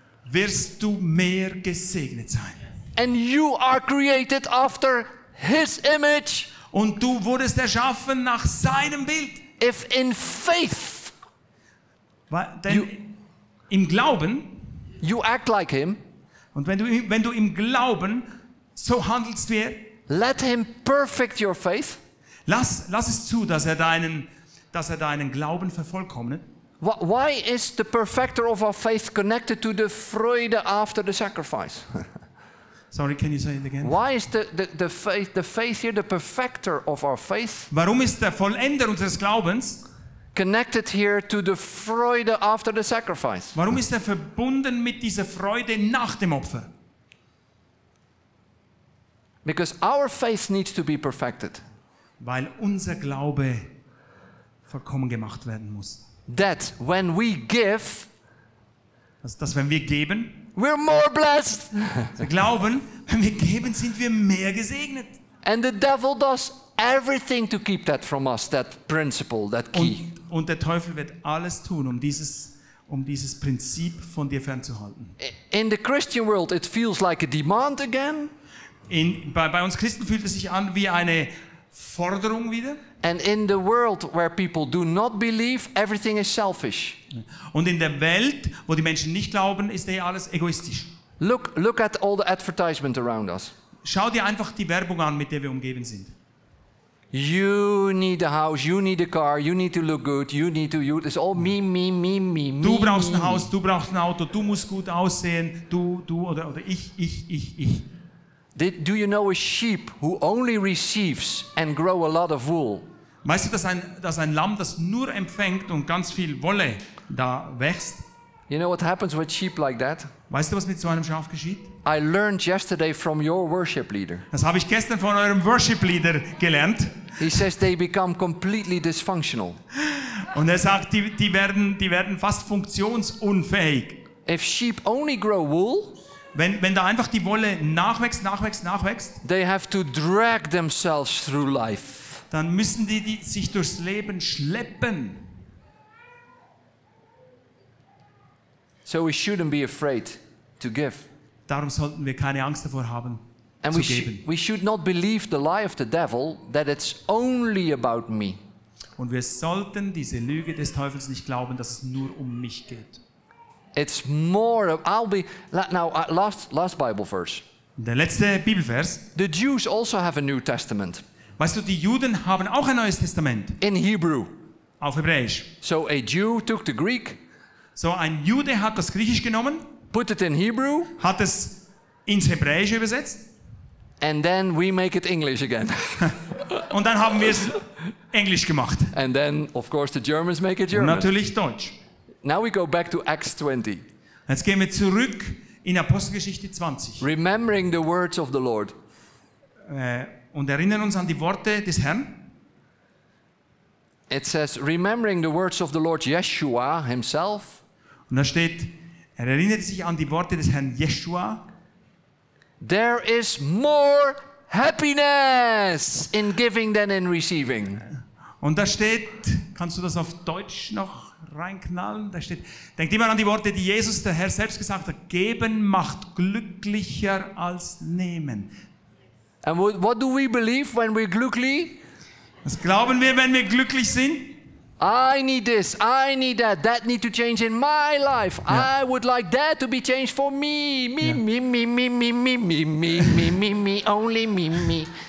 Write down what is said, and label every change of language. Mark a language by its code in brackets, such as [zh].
[de] Wirst du mehr gesegnet sein. [en] And you are created after his image. [de] Und du wurdest erschaffen nach seinem Bild. [en] If in faith. [de] Denn you, im Glauben. [en] You act like him. [de] Und wenn du im Glauben so handelst wie er. [en] Let him perfect your faith. [de] Lass es zu, dass er deinen Glauben vervollkommnet. [en] Why is the perfecter of our faith connected to the Freude after the sacrifice? Sorry, can you say it again? Why is the faith here, the perfecter of our faith? [de] Warum ist der Vollender unseres Glaubens [en] connected here to the Freude after the sacrifice? [de] Warum ist er verbunden mit dieser Freude nach dem Opfer? [en] Because our faith needs to be perfected. [de] Weil unser Glaube vollkommen gemacht werden muss. [en] That when we give, [de] dass wenn wir geben, [en] we're more blessed. [de] Wir glauben, wenn wir geben, sind wir mehr gesegnet. [en] And the devil does everything to keep that from us, that principle, that key. [de] Und der Teufel wird alles tun, um dieses Prinzip von dir fernzuhalten. [en] In the Christian world, it feels like a demand again. [de] Bei uns Christen fühlt es sich an wie eine Forderung wieder. [en] And in the world where people do not believe, everything is selfish. [de] Und in der Welt, wo die Menschen nicht glauben, ist alles egoistisch. [en] Look at all the advertisement around us. [de] Schau dir einfach die Werbung an, mit der wir umgeben sind. [en] You need a house, you need a car, you need to look good, you need to use. It's all me, me, me, me, me. [de] Du brauchst ein Haus, du brauchst ein Auto, du musst gut aussehen, du oder ich. [en] Do you know a sheep who only receives and grow a lot of wool? [de] Weißt du, dass ein Lamm, das nur empfängt und ganz viel Wolle da wächst? [en] You know what happens with sheep like that? [de] Weißt du, was mit so einem Schaf geschieht? [en] I learned yesterday from your worship leader. [de] Das habe ich gestern von eurem Worship Leader gelernt. [en] He says they become completely dysfunctional. [de] Und er sagt, die werden fast funktionsunfähig. [en] If sheep only grow wool. [de] Wenn da einfach die Wolle nachwächst, [en] they have to drag themselves through life. [de] Dann müssen die sich durchs Leben schleppen. [en] So we shouldn't be afraid to give. [de] Darum sollten wir keine Angst davor haben, and zu [en] we [de] geben. [en] We should not believe the lie of the devil that it's only about me. [de] Und wir sollten diese Lüge des Teufels nicht glauben, dass es nur um mich geht. [en] It's more of, last Bible verse. [de] Der letzte Bibelvers. [en] The Jews also have a New Testament. [de] Weißt du, die Juden haben auch ein neues Testament. [en] In Hebrew. [de] Auf Hebräisch. [en] So a Jew took the Greek. [de] So ein Jude hat das Griechisch genommen. [en] Put it in Hebrew. [de] Hat es ins Hebräische übersetzt. [en] And then we make it English again. [de] Und dann haben wir es Englisch gemacht. [en] And then, of course, the Germans make it German. [de] Natürlich Deutsch. [en] Now we go back to Acts 20. [de] Jetzt gehen wir zurück in Apostelgeschichte 20. [en] Remembering the words of the Lord. [de] Und erinnern uns an die Worte des Herrn. [en] It says, remembering the words of the Lord Yeshua himself. [de] Und da steht, er erinnert sich an die Worte des Herrn Yeshua. [en] There is more happiness in giving than in receiving. [de] Und da steht, kannst du das auf Deutsch noch reinknallen, da steht, denkt immer an die Worte, die Jesus, der Herr, selbst gesagt hat, geben macht glücklicher als nehmen. [en] And what do we believe when we're glücklich? [de] Was glauben wir, wenn wir glücklich sind? [en] I need this, I need that, that need to change in my life. Yeah. I would like that to be changed for me. Me, yeah. Me, me, me, me, me, me, me, me, me, me, only me, me.